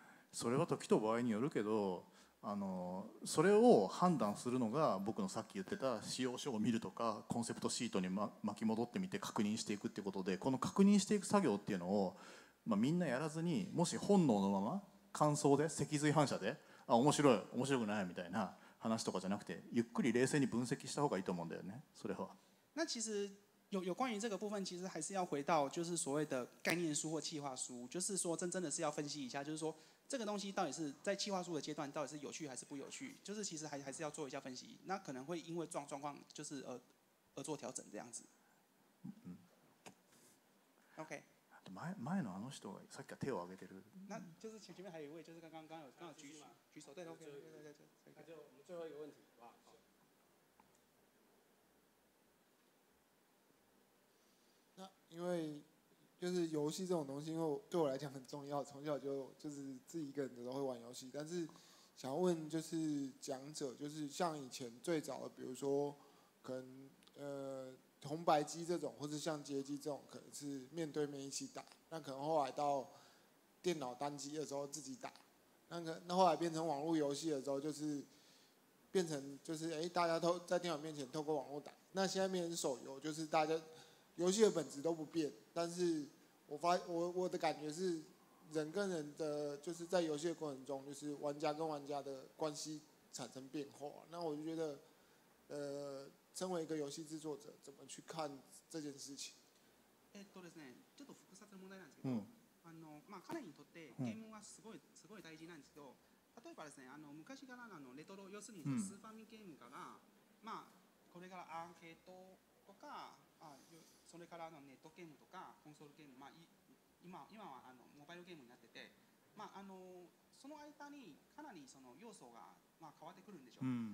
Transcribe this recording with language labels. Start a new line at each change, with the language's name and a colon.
Japanese: それは時と場合によるけど、あのそれを判断するのが僕のさっき言ってた仕様書を見るとかコンセプトシートに、巻き戻ってみて確認していくってことで、この確認していく作業っていうのを、まあ、みんなやらずにもし本能のまま感想で脊髄反射で、あ面白い面白くないみたいな話とかじゃなくて、ゆっくり冷静に分析したほうがいいと思うんだよね。それは
Chinese: 那其实有关于这个部分，其实还是要回到就是所谓的概念书或企划书，就是说真的是要分析一下，就是说这个东西到底是在企划书的阶段到底是有趣还是不有趣，就是其实还是要做一下分析，那可能会因为状况就是而做调整这样子。 OK。
Japanese: 前のあの人がさっきから手を挙げてる。
Chinese: 那就是前面还有一位，就是刚刚有举手，对 ，OK。那就我们最后一个问题。因为就是游戏这种东西，因为对我来讲很重要，从小就是自己一个人的时候会玩游戏。但是想要问就是讲者，就是像以前最早的，比如说可能红白机这种，或是像街机这种，可能是面对面一起打。那可能后来到电脑单机的时候自己打，那后来变成网络游戏的时候，就是变成就是大家都在电脑面前透过网络打。那现在变成手游，就是大家。游戏的本质都不变，但是我的感觉是，人跟人的就是在游戏的过程中，就是玩家跟玩家的关系产生变化。那我就觉得，身为一个游戏制作者，怎么去看这件事情？
Japanese: ですね、ちょっと複雑な問題なんですけど、彼にとってゲームはすごい大事なんですけど、例えばですね、昔からのレトロ、要するにスーパーミゲームから、これからアーケードとか。それからのネットゲームとかコンソールゲーム、今はモバイルゲームになってて、その間にかなりその要素が変わってくるんでしょう。